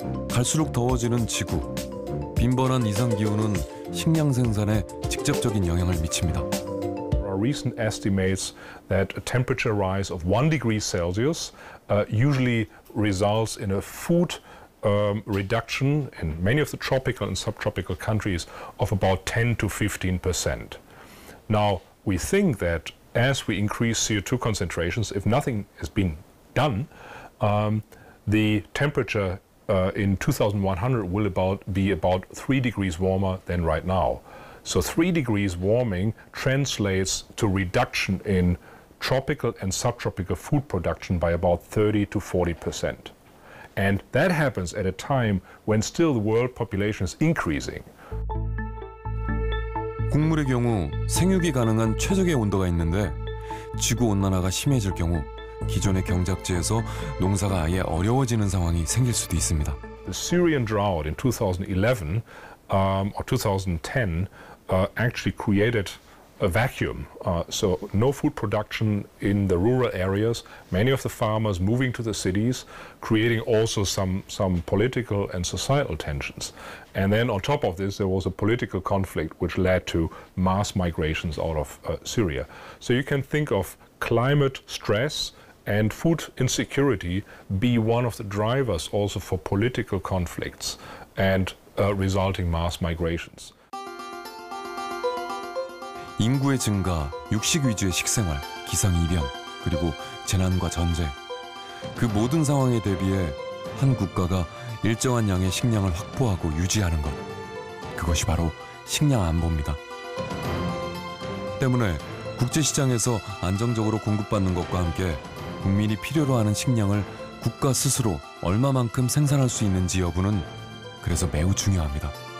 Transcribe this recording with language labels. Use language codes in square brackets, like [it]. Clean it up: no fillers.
[ko] 갈수록 더워지는 지구. 빈번한 이상기후는 식량 생산에 직접적인 영향을 미칩니다. [en] There are recent estimates that a temperature rise of 1 degree Celsius usually results in a food reduction in many of the tropical and subtropical countries of about 10-15%. Now, we think that as we increase CO2 concentrations, if nothing has been done, the temperature in 2100 will be about 3 degrees warmer than right now. So 3 degrees warming translates to reduction in tropical and subtropical food production by about 30-40%. And that happens at a time when still the world population is increasing. [ko] 곡물의 경우 생육이 가능한 최적의 온도가 있는데, 지구 온난화가 심해질 경우 기존의 경작지에서 농사가 아예 어려워지는 상황이 생길 수도 있습니다. [en] The Syrian drought in 2011 or 2010 actually created a vacuum. So no food production in the rural areas. Many of the farmers moving to the cities, creating also some political and societal tensions. And then on top of this, there was a political conflict which led to mass migrations out of Syria. So you can think of climate stress and food insecurity be one of the drivers also for political conflicts and resulting mass migrations. [ko] 인구의 증가, 육식 위주의 식생활, 기상이변, 그리고 재난과 전쟁. 그 모든 상황에 대비해 한 국가가 일정한 양의 식량을 확보하고 유지하는 것. 그것이 바로 식량 안보입니다. 때문에 국제시장에서 안정적으로 공급받는 것과 함께 국민이 필요로 하는 식량을 국가 스스로 얼마만큼 생산할 수 있는지 여부는 그래서 매우 중요합니다.